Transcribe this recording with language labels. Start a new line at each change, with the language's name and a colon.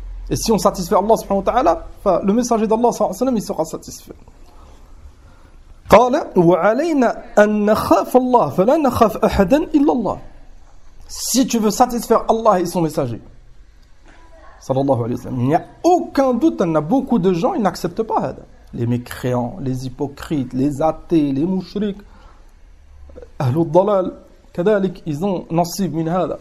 French: Et si on satisfait Allah subhanahu wa ta'ala, le messager d'Allah صلى الله عليه وسلم il sera satisfait.
Arabic: قال وعلينا أن نخاف الله فلا نخاف أحدا إلا الله.
French: Si tu veux satisfaire Allah et son messager, sallallahu alayhi wa sallam, il n'y a aucun doute, il y en a beaucoup de gens, ils n'acceptent pas. Les mécréants, les hypocrites, les athées, les mouchriques,
Arabic: Ahlul dalal, kadalik,
French: ils ont
Arabic: nasib min hada.